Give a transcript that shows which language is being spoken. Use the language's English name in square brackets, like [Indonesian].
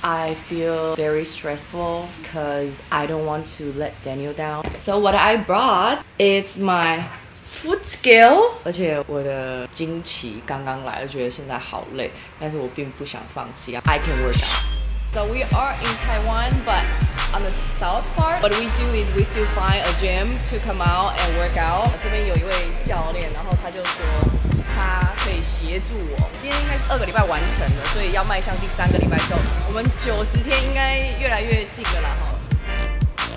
[English] I feel very stressful because I don't want to let Daniel down. So what I brought is my foot scale. [Chinese] 而且我的经期刚刚来，我觉得现在好累，但是我并不想放弃啊。 [English] I can work out. So we are in Taiwan, but on the south part. What we do is we still find a gym to come out and work out. [Chinese] 这边有一位教练，然后他就说他可以协助我。今天应该是二个礼拜完成了，所以要迈向第三个礼拜之后，我们九十天应该越来越近了啦。